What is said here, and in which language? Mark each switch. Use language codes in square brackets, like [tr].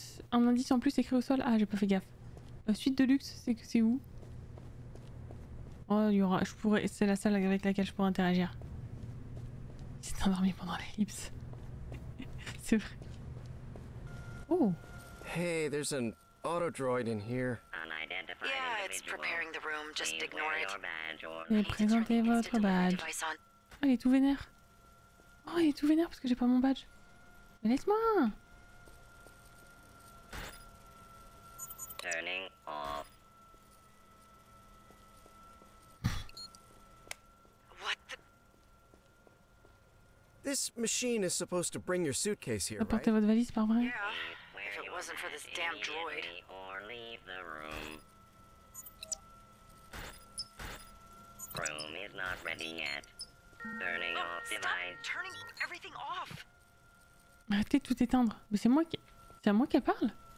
[fr] Un indice en plus écrit au sol. Ah, j'ai pas fait gaffe. Suite de luxe, c'est où? Oh, c'est la salle avec laquelle je pourrais interagir. Il s'est endormi pendant l'ellipse. C'est vrai. Oh. [en] Hey, there's an auto droid in here. Yeah, it's preparing the room. Just ignore it. [fr] Et présentez votre badge. Oh, il est tout vénère. Oh, il est tout vénère parce que j'ai pas mon badge. Mais laisse-moi. [en] Turning off. What the? This machine is supposed to bring your suitcase here, right? [fr] Apportez votre valise, par vrai. [en] Yeah. If it wasn't for this damn droid. Or leave the room. Room is not ready yet. Turning off device. Stop turning everything off. [fr] Arrêtez de tout éteindre. Mais c'est à moi qu'elle parle.